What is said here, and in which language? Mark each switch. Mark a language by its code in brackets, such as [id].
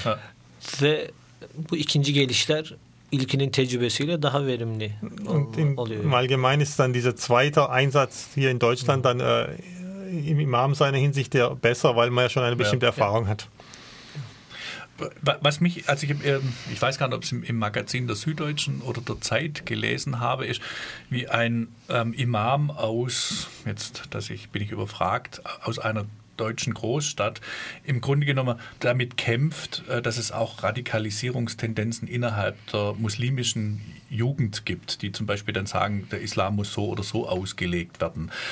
[de] Ja. [tr] Ve bu ikinci gelişler ilkinin tecrübesiyle daha verimli oluyor. [de] Im Allgemeinen ist dann dieser zweite Einsatz hier in Deutschland dann im Imam seiner Hinsicht der besser, weil man ja schon eine bestimmte Erfahrung hat. Was mich, als ich weiß gar nicht, ob es im Magazin der Süddeutschen oder der Zeit gelesen habe, ist, wie ein Imam aus, jetzt bin ich überfragt, aus einer deutschen Großstadt im Grunde genommen damit kämpft, dass es auch Radikalisierungstendenzen innerhalb der muslimischen Jugend gibt, die zum Beispiel dann sagen, der Islam muss so oder so ausgelegt werden.